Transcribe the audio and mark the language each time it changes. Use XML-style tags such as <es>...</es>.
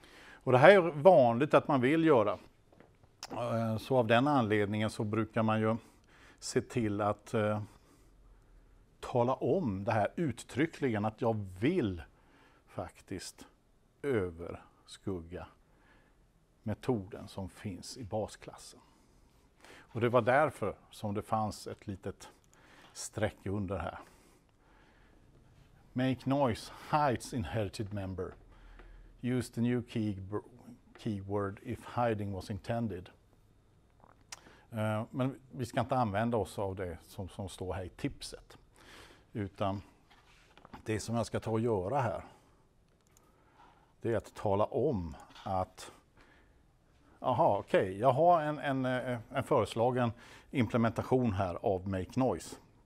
<sv>Och det här är vanligt att man vill göra. Så av den anledningen så brukar man ju se till att tala om det här uttryckligen, att jag vill faktiskt överskugga metoden som finns i basklassen. Och det var därför som det fanns ett litet streck under här.</sv> <en>Make noise hides inherited member. Use the new keyword if hiding was intended.</en> <sv>Men vi ska inte använda oss av det som står här i tipset. Utan det som jag ska ta och göra här, det är att tala om att okej, jag har en föreslagen implementation här av Make Noise.</sv>